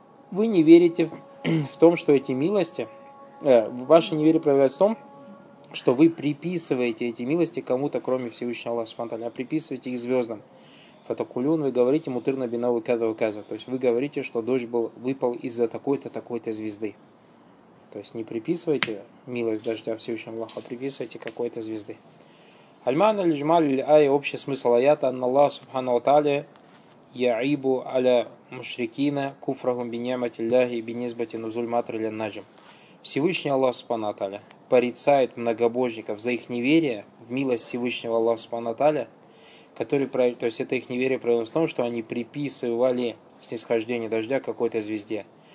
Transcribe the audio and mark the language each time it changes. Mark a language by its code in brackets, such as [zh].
[ru] Вы не верите в том, что эти милости, ваше неверие проявляется в том, что вы приписываете эти милости кому-то, кроме Всевышнего Аллаха Субхану ва Тааля, а приписываете их звездам. Фатакулюн, вы говорите [ar] мутырна бинау каза ва каза, [ru] то есть вы говорите, что дождь был, выпал из-за такой-то, такой-то звезды. То есть не приписывайте милость дождя Всевышнему Аллаху, а приписывайте какой-то звезды. [ar] المعنى الإجمالي للآية [ru] общий смысл [ar] آيات أن الله سبحانه وتعالى يعيب على مشركين كفرهم بنعمة الله بنسبة نزول ماتر للنجم. [ru] Всевышний Аллах [ar] سبحانه وتعالى [ru] порицает многобожников за их неверие в милость Всевышнего Аллаха سبحانه وتعالى, который, то есть это их неверие проявилось в том, что они приписывали снисхождение дождя какой-то звезде.